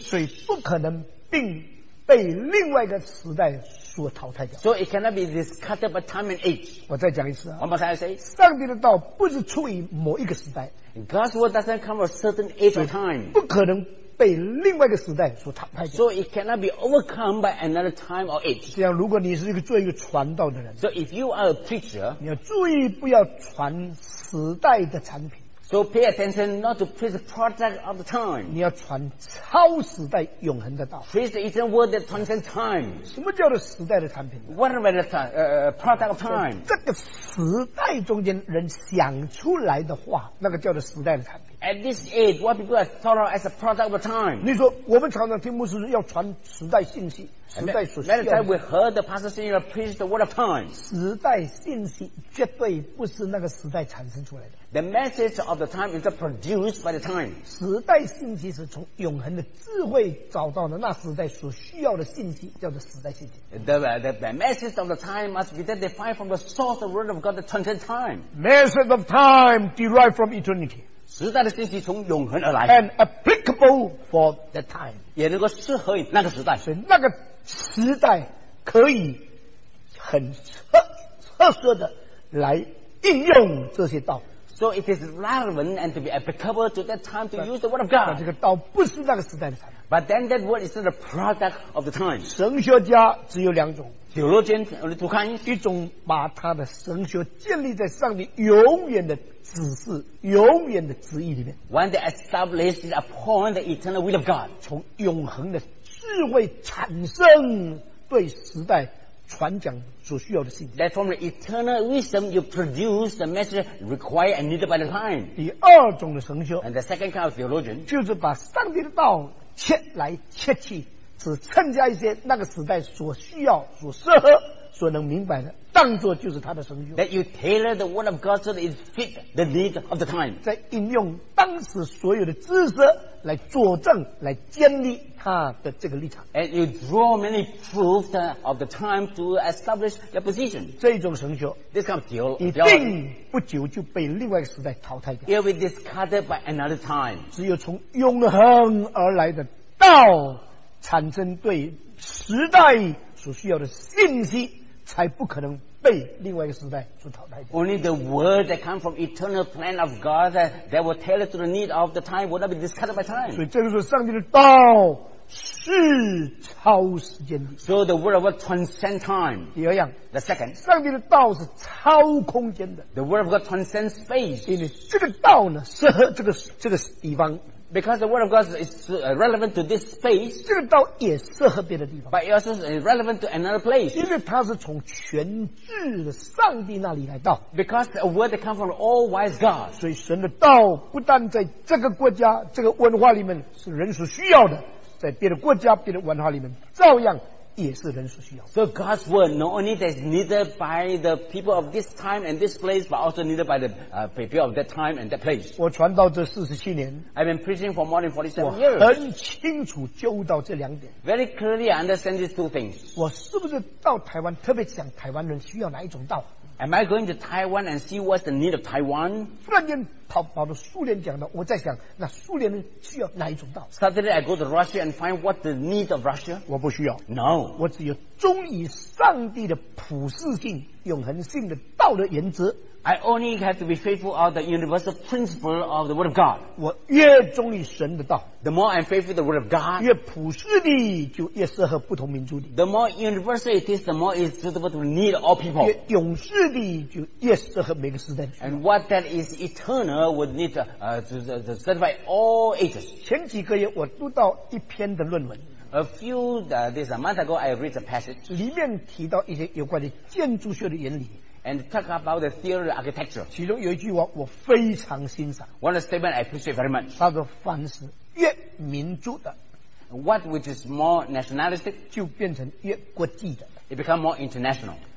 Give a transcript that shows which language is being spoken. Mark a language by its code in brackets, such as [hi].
[zh] 所以不可能并被另外一个时代所淘汰掉。 [en] So it cannot be discarded by time and age. [zh] 我再讲一次啊。 [en] One more time, I say. [zh] 上帝的道不是出于某一个时代。 [en] God's word doesn't come from a certain age or time. [zh] 不可能被另外一个时代所淘汰掉。 [en] So it cannot be overcome by another time or age. [zh] 这样，如果你是一个做一个传道的人 [en] ，So if you are a preacher, [zh] 你要注意不要传时代的产品。 [en] So pay attention not to preach the product of the time. [zh] 你要传超时代永恒的道。 [en] Preach the eternal word that transcends time. [zh] 什么叫做时代的产品 [en] ？What about the product of time? [zh] 这个时代中间人想出来的话，那个叫做时代的产品。 [en] At this age, what people have thought of as a product of the time. [zh] 你说我们常常听牧师要传时代信息，时代所需要的。 [en] Many times we heard the pastor saying to preach the word of time. [zh] 时代信息绝对不是那个时代产生出来的。 [en] The message of the time is produced by the time. [zh] 时代信息是从永恒的智慧找到的那时代所需要的信息，叫做时代信息。 [en] The message of the time must be defined from the source of the word of God that transcends time. Message of time derived from eternity. [zh] 时代的信息从永恒而来 [en] ，and applicable for that time， [zh] 也能够适合于那个时代，所以那个时代可以很特色的来应用这些道。 [en] So it is relevant and to be applicable to that time to use the word of God。 [zh] 这个道不是那个时代的产品 [en] ，but then that word is not a product of the time。 [zh] 神学家只有两种 [en] ，theologian only two kinds， [zh] 一种把他的神学建立在上帝永远的。指示永远的旨意里面 [en] When they establish it upon the eternal will of God [zh] 从永恒的智慧产生对时代传讲所需要的信息 [en] That from the eternal wisdom you produce the message required and needed by the time [zh] 第二种的神学 [en] And the second kind of theologian [zh] 就是把上帝的道切来切去只参加一些那个时代所需要所适合所能明白的当作就是他的神学 [en] That you tailor the word of God so that it fit the need of the time [zh] 在应用当时所有的知识来佐证来建立他的这个立场 [en] And you draw many proofs of the time to establish your position [zh] 这种神学 [en] This kind of theology [zh] 一定不久就被另外一个时代淘汰掉 [en] It will be discarded by another time [zh] 只有从永恒而来的道产生对时代所需要的信息才不可能被另外一个时代所淘汰 [en] Only the word that comes from eternal plan of God that will tell it to the need of the time will not be discarded by time [zh] 所以这就是上帝的道是超时间的 [en] So the word of God transcends time [zh] 第二样 [en] The second [zh] 上帝的道是超空间的 [en] The word of God transcends space [zh] 因为这个道呢适合这个地方 [en] Because the word of God is relevant to this space, [zh] 这个道也适合别的地方 [en] but it also is relevant to another place. [zh] 因为它是从全智的上帝那里来到 [en] Because a word that comes from all wise God. [zh] 所以神的道不但在这个国家、这个文化里面是人所需要的，在别的国家、别的文化里面照样。也是人所需要。 [en] So God's word not only is needed by the people of this time and this place, but also needed by the people of that time and that place. [zh] 我传道这四十七年 [en] ，I've been preaching for more than 47 years. [zh] 我很清楚就到这两点。 [en] Very clearly, I understand these two things. [zh] 我是不是到台湾特别想台湾人需要哪一种道 [en] ？Am I going to Taiwan and see what's the need of Taiwan? [zh] 突然间跑到苏联讲的，我在想那苏联人需要哪一种道 [en] ？Suddenly I go to Russia and find what the need of Russia. [zh] 我不需要。 [en] No， [zh] 我只有忠于上帝的普世性、永恒性的道德原则。 [en] I only have to be faithful of the universal principle of the Word of God. [zh] 我越忠于神的道 [en] ，the more I'm faithful to the Word of God， [zh] 越普世的就越适合不同民族的。 [en] The more universal it is, the more it's suitable to the need of all people. [zh] 越永世的就越适合每个时代。 [en] And what that is eternal. Would need to satisfy all ages. [zh] 前几个月我读到一篇的论文。 [en] A month ago, I read a passage. [zh] 里面提到一些有关的建筑学的原理。 [en] And talk about the theory of architecture. [zh] 其中有一句话我非常欣赏。 [en] One statement I appreciate very much. [zh] 它的凡是越民族的 [en] ，what which is more nationalistic， [zh] 就变成越国际的。 [en] It become more international.